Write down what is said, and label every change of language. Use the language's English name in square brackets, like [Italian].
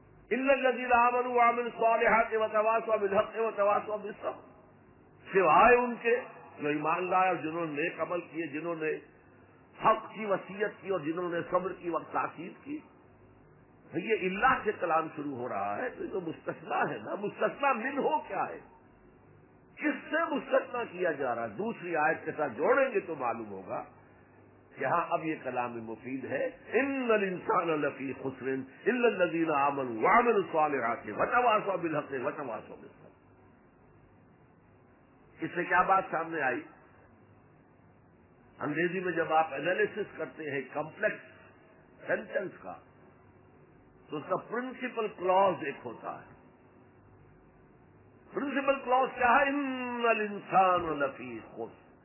[Arabic] ان الذین آمنوا وعملوا الصالحات وتواصوا بالحق وتواصوا بالصبر، [Urdu] سوائے ان کے جو ایماندار اور جنہوں نے نیک عمل کیے، جنہوں نے حق کی وصیت کی اور جنہوں نے صبر کی وقت تاکید کی. یہ اللہ سے کلام شروع ہو رہا ہے تو یہ تو مستثنا ہے نا، مستثنا من ہو کیا ہے، کس سے مستثنا کیا جا رہا ہے؟ دوسری آیت کے ساتھ جوڑیں گے تو معلوم ہوگا کہ ہاں اب یہ کلام مفید ہے. [Arabic] ان الانسان لفی خسر الا الذین آمنوا وعملوا الصالحات وتواصوا بالحق وتواصوا بالصبر. [Urdu] اس سے کیا بات سامنے آئی؟ انگریزی میں جب آپ انالیسس کرتے ہیں کمپلیکس سینٹنس کا تو اس کا پرنسپل کلاز ایک ہوتا ہے. پرنسپل کلاز کیا ہے؟ [Arabic] ان الانسان لفی خسر.